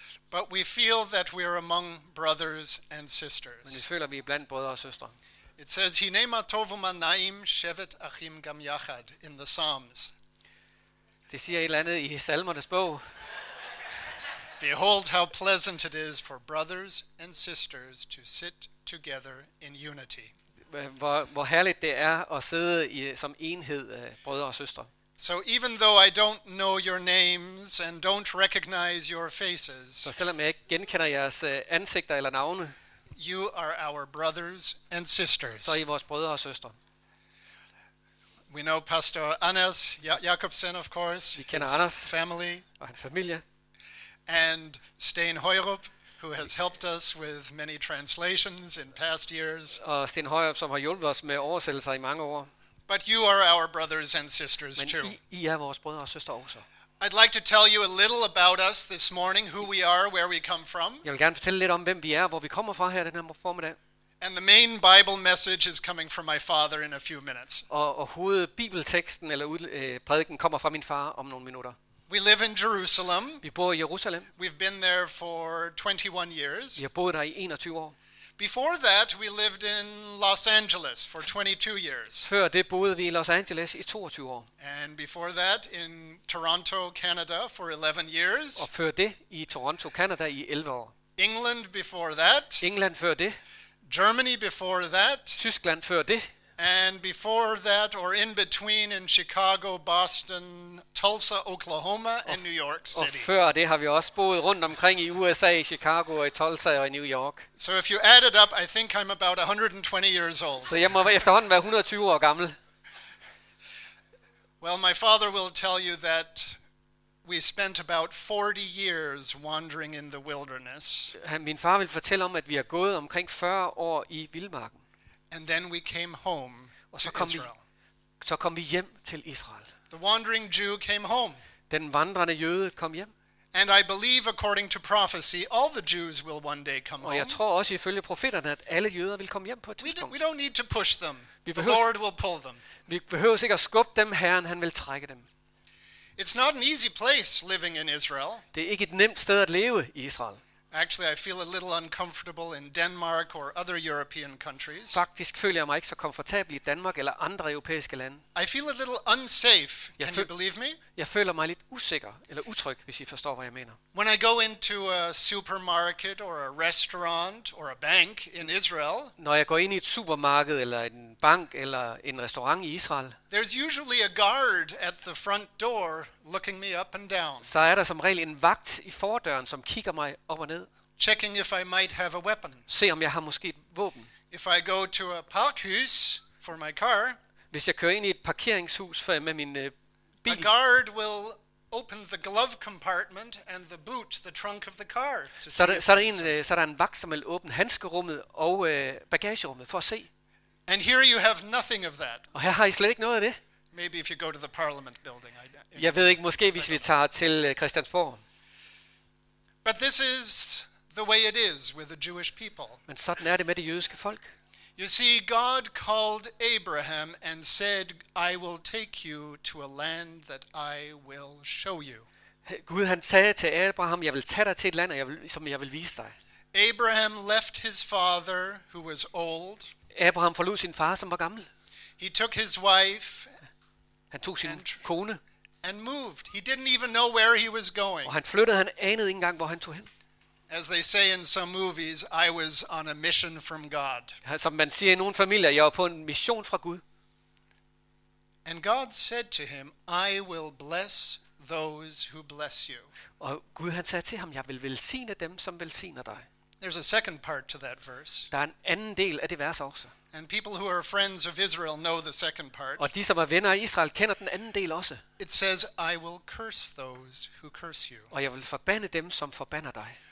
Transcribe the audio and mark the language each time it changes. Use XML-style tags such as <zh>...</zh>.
<en>But we feel that we are among brothers and sisters.</en> <da>Men vi føler, vi er blandt brødre og søstre.</da> <en>It says,</en> <he>Hine matovu manaim shevet achim gam yachad</he> <en>in the Psalms.</en> <da>Det siger et eller andet i Salmernes bog.</da> <en>Behold how pleasant it is for brothers and sisters to sit together in unity.</en> <da>Hvor herligt det er at sidde i som enhed, brødre og søstre.</da> <en>So even though I don't know your names and don't recognize your faces.</en> <da>Så selvom jeg ikke genkender jeres ansigter eller navne.</da> <en>You are our brothers and sisters.</en> <da>Så I vores brødre og søstre.</da> <en>We know Pastor Anders Jakobsen, of course.</en> <da>Vi kender Anders</da> <en>family</en> <da>og hans familie.</da> <en>And Steen Højrup, who has helped us with many translations in past years.</en> <da>Og Steen Højrup, som har hjulpet os med oversættelser i mange år.</da> <en>But you are our brothers and sisters too.</en> <da>Men I er vores brødre og søstre også.</da> <en>I'd like to tell you a little about us this morning, who we are, where we come from.</en> <da>Jeg vil gerne fortælle lidt om hvem vi er, hvor vi kommer fra her den her formiddag.</da> <en>And the main Bible message is coming from my father in a few minutes.</en> <da>Og hovedbibelteksten eller prædiken kommer fra min far om nogle minutter.</da> <en>We live in Jerusalem.</en> <da>Vi bor i Jerusalem.</da> <en>We've been there for 21 years.</en> <da>Vi har boet der i 21 år.</da> <en>Before that, we lived in Los Angeles for 22 years.</en> <da>Før det boede vi i Los Angeles i 22 år.</da> <en>And before that, in Toronto, Canada for 11 years.</en> <da>Og før det i Toronto, Canada i 11 år.</da> <en>England before that.</en> <da>England før det.</da> <en>Germany before that.</en> <da>Tyskland før det.</da> <en>And before that, or in between, in Chicago, Boston, Tulsa, Oklahoma, and New York City.</en> <da>Og før det har vi også boet rundt omkring i USA, i Chicago, i Tulsa og i New York.</da> <en>So if you add it up, I think I'm about 120 years old.</en> <da>Så jeg må efterhånden være 120 år gammel.</da> <en>Well, my father will tell you that we spent about 40 years wandering in the wilderness.</en> <da>Min far vil fortælle om, at vi har gået omkring 40 år i vildmarken.</da> <en>And then we came home to Israel.</en> <da>Så kom vi hjem til Israel.</da> <en>The wandering Jew came home.</en> <da>Den vandrende jøde kom hjem.</da> <en>And I believe according to prophecy all the Jews will one day come home.</en> <da>Og jeg tror også ifølge profeterne at alle jøder vil komme hjem på et tidspunkt.</da> <en>We don't need to push them. The Lord will pull them.</en> <da>Vi behøver ikke at skubbe dem, Herren han vil trække dem.</da> <en>It's not an easy place living in Israel.</en> <da>Det er ikke et nemt sted at leve i Israel.</da> <en>Actually, I feel a little uncomfortable in Denmark or other European countries.</en> <da>Faktisk føler jeg mig ikke så komfortabel i Danmark eller andre europæiske lande.</da> <en>I feel a little unsafe. Can you believe me?</en> <da>Jeg føler mig lidt usikker eller utryg, hvis I forstår hvad jeg mener.</da> <en>When I go into a supermarket or a restaurant or a bank in Israel.</en> <da>Når jeg går ind i et supermarked eller en bank eller en restaurant i Israel.</da> <en>There's usually a guard at the front door looking me up and down.</en> <da>Så er der som regel en vagt i fordøren, som kigger mig op og ned.</da> <en>Checking if I might have a weapon.</en> <da>Se om jeg har måske et våben.</da> <en>If I go to a parkhus for my car.</en> <da>Hvis jeg kører ind i et parkeringshus for med min bil.</da> <en>A guard will open the glove compartment and the boot, the trunk of the car.</en> <da>Så er der en vagt, som vil åbne handskerummet og bagagerummet for at se.</da> <en>And here you have nothing of that.</en> <da>Og her har I slet ikke noget af det.</da> <en>Maybe if you go to the Parliament building.</en> <da>Jeg ved ikke, måske hvis vi tager til Christiansborg.</da> <en>But this is the way it is with the Jewish people.</en> <da>Men sådan er det med det jødiske folk.</da> <en>You see, God called Abraham and said, "I will take you to a land that I will show you."</en> <da>Gud han sagde til Abraham, "Jeg vil tage dig til et land, som jeg vil vise dig."</da> <en>Abraham left his father, who was old.</en> <da>Abraham forlod sin far, som var gammel.</da> <en>He took his wife.</en> <da>Han tog sin kone.</da> <en>And moved. He didn't even know where he was going.</en> <da>Og han flyttede, han anede ikke engang hvor han tog hen.</da> <en>As they say in some movies, I was on a mission from God.</en> <da>Som man siger i nogle familier, jeg var på en mission fra Gud.</da> <en>And God said to him, "I will bless those who bless you."</en> <da>Og Gud han sagde til ham, jeg vil velsigne dem som velsigner dig.</da> <en>There's a second part to that verse.</en> <da>Der er en anden del af det vers også.</da> <en>And people who are friends of Israel know the second part.</en> <da>Og de som er venner af Israel kender den anden del også.</da> <en>It says, "I will curse those who curse you."</en> <da>Og jeg vil forbande dem som forbander dig.</da>